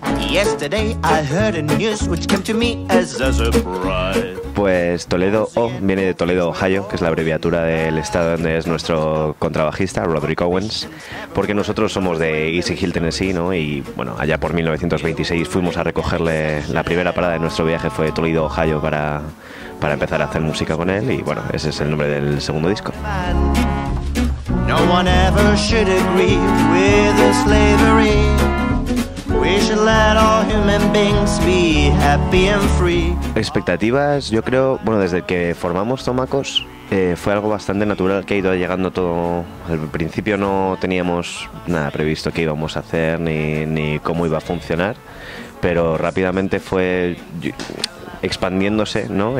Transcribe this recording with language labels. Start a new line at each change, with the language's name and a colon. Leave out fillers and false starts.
English: yesterday I heard a news which came to me as a surprise.
Spanish: Pues Toledo O viene de Toledo, Ohio, que es la abreviatura del estado donde es nuestro contrabajista, Roderick Owens, porque nosotros somos de Easy Hill, Tennessee, ¿no? Y bueno, allá por 1926 fuimos a recogerle, la primera parada de nuestro viaje fue Toledo, Ohio, para empezar a hacer música con él, y bueno, ese es el nombre del segundo disco.
English: No one ever should agree with the slavery. We should let all human beings be happy and free.
Spanish: Expectativas, yo creo, bueno, desde que formamos Tomacos fue algo bastante natural que ha ido llegando todo. Al principio no teníamos nada previsto qué íbamos a hacer ni cómo iba a funcionar, pero rápidamente fue expandiéndose, ¿no?